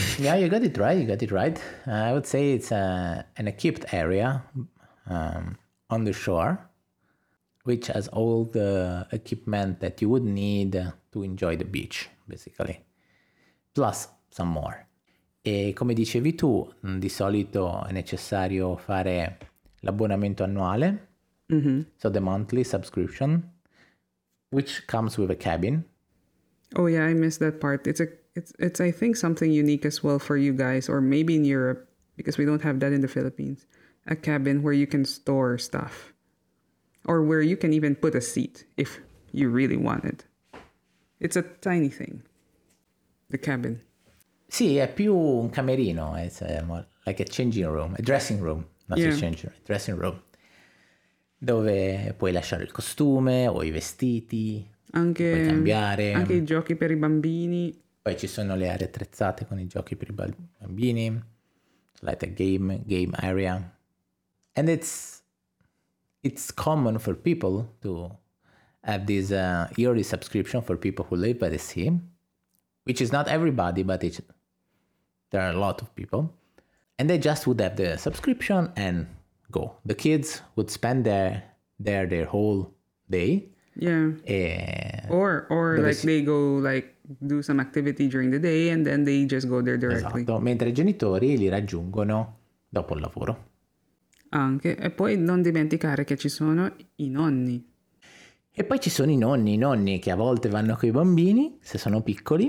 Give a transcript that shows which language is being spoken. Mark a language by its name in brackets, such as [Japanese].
[English] Yeah, you got it right. You got it right. I would say it's an equipped area. On the shore, which has all the equipment that you would need to enjoy the beach, basically, plus some more. [Italian] E come dicevi tu, di solito è necessario fare l'abbonamento annuale, mm-hmm. [English] So the monthly subscription, which comes with a cabin. Oh yeah, I missed that part. It's I think something unique as well for you guys, or maybe in Europe, because we don't have that in the Philippines, a cabin where you can store stuff or where you can even put a seat if you really want it. It's a tiny thing, the cabin. [Italian] Sì, è più un camerino, [English] it's like a changing room, a dressing room, not yeah. a changing room, a dressing room, [Italian] dove puoi lasciare il costume o i vestiti, anche, puoi cambiare. Anche i giochi per i bambini. Poi ci sono le aree attrezzate con i giochi per i bambini, [English] like a game area. And it's common for people to have this yearly subscription for people who live by the sea, which is not everybody, but there are a lot of people. And they just would have the subscription and go. The kids would spend their whole day. Yeah. Or like they go like do some activity during the day and then they just go there directly. [Italian] Esatto. Mentre i genitori li raggiungono dopo il lavoro. Anche. E poi non dimenticare che ci sono i nonni. E poi ci sono i nonni che a volte vanno con i bambini, se sono piccoli.